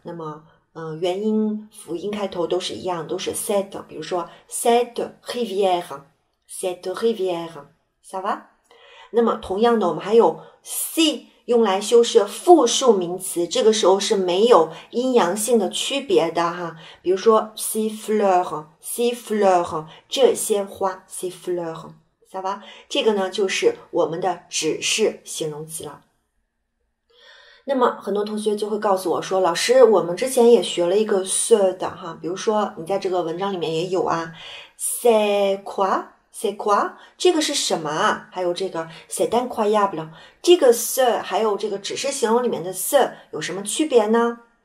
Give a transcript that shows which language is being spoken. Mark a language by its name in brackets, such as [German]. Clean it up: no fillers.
[Chinese] 那么元音辅音开头都是一样，都是 set， 比如说 [French] cette rivière， [Chinese] cette rivière， [French] ça va？ [Chinese] 那么同样的，我们还有 c 用来修饰复数名词，这个时候是没有阴阳性的区别的哈。比如说 [French] ces fleurs， [Chinese] ces fleurs， 这些花 ，ces fleurs， [French] ça va？ [Chinese] 这个呢就是我们的指示形容词了。那么很多同学就会告诉我说，老师，我们之前也学了一个 se 的哈，比如说你在这个文章里面也有啊 [French] c'est quoi c'est quoi [Chinese] 这个是什么啊，还有这个 [French] c'est incroyable [Chinese] 这个 se 还有这个指示形容里面的 se 有什么区别呢？